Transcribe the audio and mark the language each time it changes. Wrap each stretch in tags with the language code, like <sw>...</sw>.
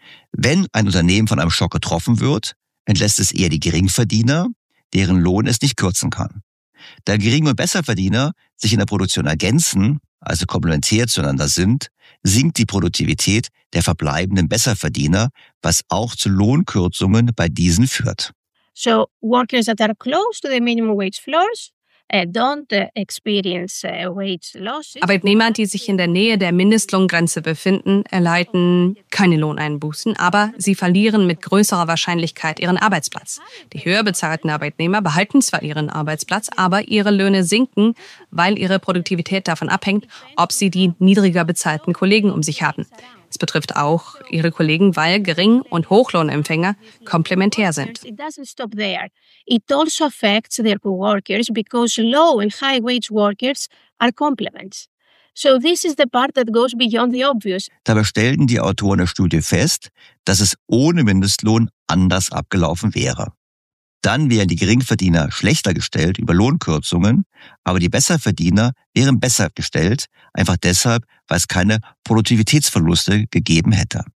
<de>Wenn ein Unternehmen von einem Schock getroffen wird, entlässt es eher die Geringverdiener, deren Lohn es nicht kürzen kann. Da Gering- und Besserverdiener sich in der Produktion ergänzen, also komplementär zueinander sind, sinkt die Produktivität der verbleibenden Besserverdiener, was auch zu Lohnkürzungen bei diesen führt.</de> <en>So, workers that are close to the minimum wage floors</en> <de>Arbeitnehmer, die sich in der Nähe der Mindestlohngrenze befinden, erleiden keine Lohneinbußen, aber sie verlieren mit größerer Wahrscheinlichkeit ihren Arbeitsplatz. Die höher bezahlten Arbeitnehmer behalten zwar ihren Arbeitsplatz, aber ihre Löhne sinken, weil ihre Produktivität davon abhängt, ob sie die niedriger bezahlten Kollegen um sich haben. Es betrifft auch ihre Kollegen, weil Gering- und Hochlohnempfänger komplementär sind.</de> <en>It doesn't stop there. It also affects their co-workers because low and high-wage workers are complements. So this is the part that goes beyond the obvious.</en> <de>Dabei stellten die Autoren der Studie fest, dass es ohne Mindestlohn anders abgelaufen wäre. Dann wären die Geringverdiener schlechter gestellt über Lohnkürzungen, aber die Besserverdiener wären besser gestellt, einfach deshalb, weil es keine Produktivitätsverluste gegeben hätte.</de>